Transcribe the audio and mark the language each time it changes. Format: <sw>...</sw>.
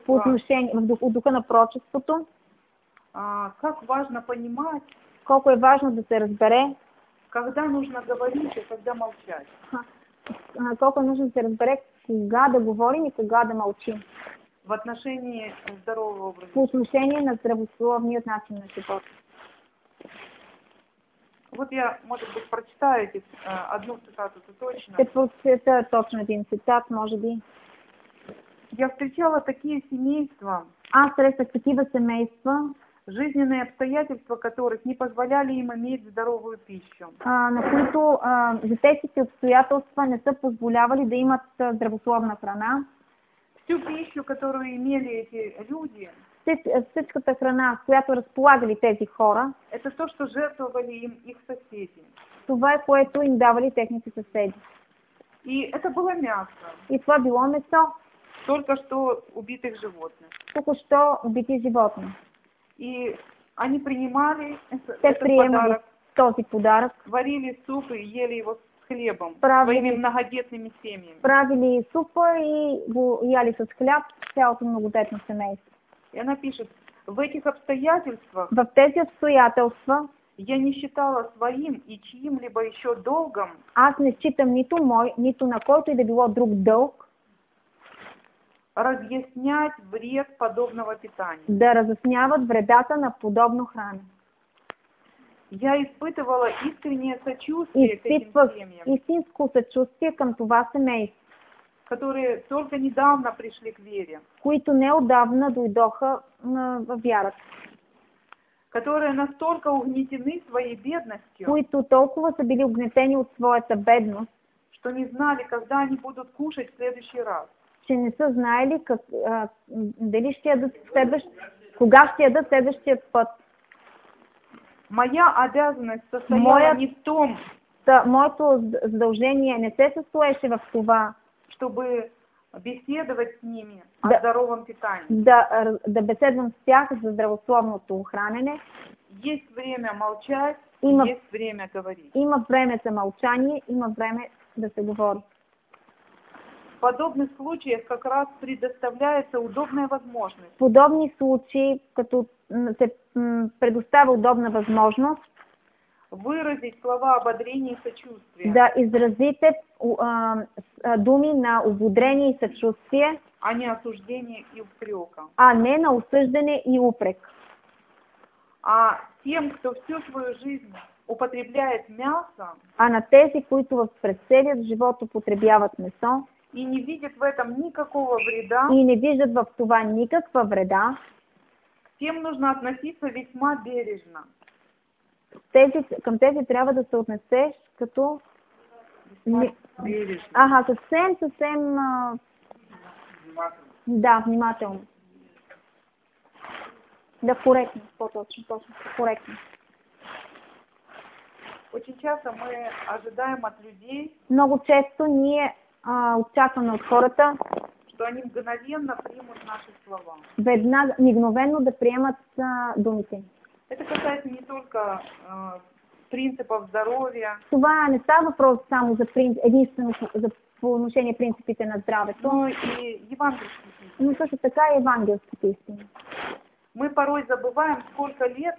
<bg>По отношение, от духа на пророчеството.</bg> <ru>Как важно понимать.</ru> <bg>Колко е важно да се разбере.</bg> <ru>Когда нужно говорить и когда молчать.</ru> <bg>Колко е нужно да се разбере кога да говорим и кога да молчим.</bg> <ru>В отношении здорового образа.</ru> <bg>По отношение на здравословният начин на живота.</bg> <ru>Вот я, может быть, прочитаю эти, одну цитату, это точно. Это точно один цитат, может быть. Я встречала такие семейства. А, встречала такие семейства. Жизненные обстоятельства которых не позволяли им иметь здоровую пищу.</ru> <bg>На които житейските обстоятелства не са позволявали да имат здравословна храна.</bg> <ru>Всю пищу, которую имели эти люди.</ru> <bg>Всичката храна, с която разполагали тези хора,</bg> <ru>это то, что жертвовали им их соседи.</ru> <bg>Това е, което им давали техните съседи.</bg> <ru>И это было мясо.</ru> <bg>И това било месо.</bg> <ru>Только что убитых животных. Только что убитые животные. И они принимали</ru> <bg>те</bg> <ru>этот приемали подарок,</ru> <bg>този подарок.</bg> <ru>Варили суп и ели его с хлебом.</ru> <bg>Правили,</bg> <ru>своими многодетными семьями.</ru> <bg>Правили супа и го яли с хляб цялото многодетно семейство.</bg> <ru>И она пишет, в этих обстоятельствах,</ru> <bg>в тези обстоятелства,</bg> <ru>я не считала своим и чьим-либо еще долгом,</ru> <bg>аз не считам нито мой, нито на който и да било друг долг,</bg> <ru>разъяснять вред подобного питания.</ru> <bg>Да разъясняват вредата на подобно хране.</bg> <ru>Я испытывала искреннее сочувствие к этим семьям.</ru> <bg>Истинско съчувствие към това семейство.</bg> <ru>Которые только недавно пришли к вере.</ru> <bg>Които неодавна дойдоха в вярата.</bg> <ru>Которые настолько угнетены своей бедностью.</ru> <bg>Които толкова са били угнетени от своята бедност.</bg> <ru>Что не знали, когда они будут кушать в следующий раз.</ru> <bg>Че не са знали как, дали ще ядат кога ще ядат следващия път.</bg> <ru>Моя обязанность состояла не в том.</ru> <bg>Моето задължение не се състоеше в това.</bg> <ru>Чтобы беседовать с ними о здоровом питании.</ru> <bg>Да беседвам с тях за здравословното хранене.</bg> <ru>Есть время молчать, есть время говорить.</ru> <bg>Има време за мълчание, има време да се говори.</bg> <ru>В подобных случаях как раз предоставляется удобная возможность.</ru> <bg>В подобни случаи, като се предоставя удобна възможност,</bg> <ru>выразить слова ободрения и сочувствия.</ru> <bg>Да изразите думи на ободрение и съчувствие,</bg> <ru>а не осуждение и упрека.</ru> <bg>А не на осъждане и упрек.</bg> <ru>А тем, кто всю свою жизнь употребляет мясо,</ru> <bg>а на тези, които през целия живот употребяват месо,</bg> <ru>и не видят в этом никакого вреда,</ru> <bg>и не виждат в това никаква вреда,</bg> <ru>к тем нужно относиться весьма бережно.</ru> <bg>Тези, към тези трябва да се отнесеш като</bg> <ru>бережно.</ru> <bg>Ага, съвсем, съвсем внимателно. Да, внимателно. Да, коректно, по-точно, точно, коректно.</bg> <ru>Очень часто мы ожидаем от людей,</ru> <bg>много често ние очакваме от хората,</bg> <ru>что они мгновенно примут наши слова.</ru> <bg>Веднага, мигновенно да приемат думите.</bg> <ru>Это касается не только принципов здоровья.</ru> <bg>Това не става въпрос само за единствено за по отношение принципите на здравето.</bg> <ru>Но и евангелските истини.</ru> <bg>Но също така и евангелските истини.</bg> <ru>Мы порой забываем, сколько лет</ru>